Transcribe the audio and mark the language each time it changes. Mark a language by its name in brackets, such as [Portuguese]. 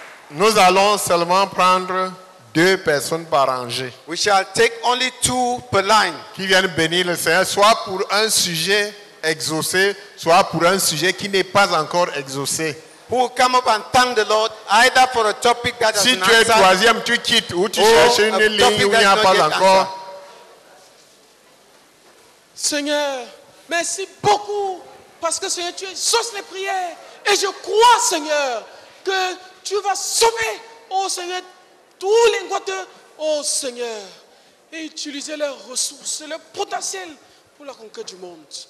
[French] Nous allons seulement prendre deux personnes par rangée. [English] We shall take only two per line. [French] Qui viennent bénir le Seigneur, soit pour un sujet exaucé, soit pour un sujet qui n'est pas encore exaucé. [English] Who come up and thank the Lord either for a topic that [French] si tu es troisième, tu quittes ou tu cherches une ligne où il n'y a pas encore. Seigneur, merci beaucoup parce que Seigneur, tu exauces les prières et je crois, Seigneur, que tu vas sauver, oh Seigneur, tous les ingrats, oh Seigneur, et utiliser leurs ressources, leur potentiel pour la conquête du monde.